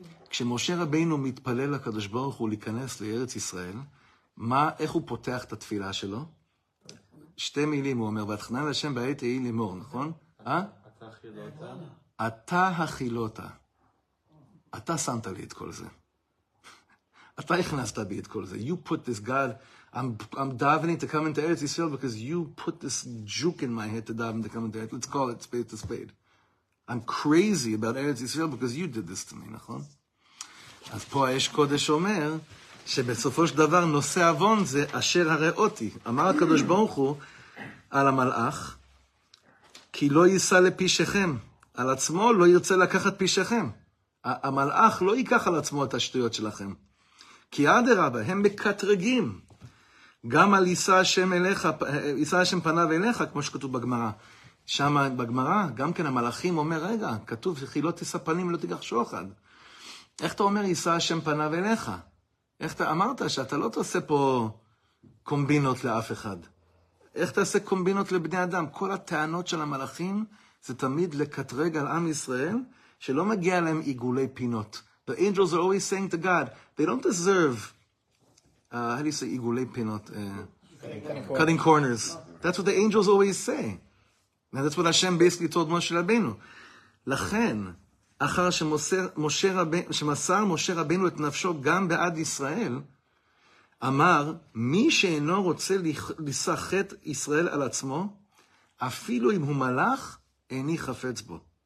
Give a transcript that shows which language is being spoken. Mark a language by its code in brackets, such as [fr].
[he] כשמשה רבינו מתפלל לקדוש ברוך הוא להיכנס לארץ ישראל, איך הוא פותח את התפילה שלו? שתי מילים הוא אומר, והתחנן לשם בעת היא לימור, נכון? אתה הכילותה. אתה הכילותה. אתה שמת לי את כל זה. אתה הכנסת בי את כל זה. [en] You put this God, I'm davening to come into Eretz Yisrael because you put this juke in my head to daven to come into Eretz. Let's call it spade to spade. I'm crazy about Eretz Yisrael because you did this to me, נכון? [he] אז פה האש קודש אומר שבסופו של דבר נושא אבון זה אשר הרי אותי. אמר הקדוש ברוך הוא על המלאך, כי לא יישא לפי שכם. על עצמו לא ירצה לקחת פי שכם. המלאך לא ייקח על עצמו את השטויות שלכם. כי עד הרבה, הם מקטרגים. גם על יישא השם אליך, יישא השם פניו אליך, כמו שכתוב בגמרא. שם בגמרא, גם כן המלאכים אומר, רגע, כתוב, כי לא תישא פנים, לא תיקח שוחד. איך אתה אומר, יישא השם פניו אליך? איך אתה אמרת שאתה לא תעשה פה קומבינות לאף אחד? איך תעשה קומבינות לבני אדם? כל הטענות של המלאכים זה תמיד לקטרג על עם ישראל שלא מגיע להם עיגולי פינות. [en] The angels are always saying to God, they don't deserve, how do you say, עיגולי פינות? Cutting corners. That's what the angels always say. And that's what Hashem basically told Moshe Rabbeinu. [he] לכן, אחר שמסר משה רבינו את נפשו גם בעד ישראל, אמר, מי שאינו רוצה לשחט ישראל על עצמו, אפילו אם הוא מלאך, איני חפץ בו.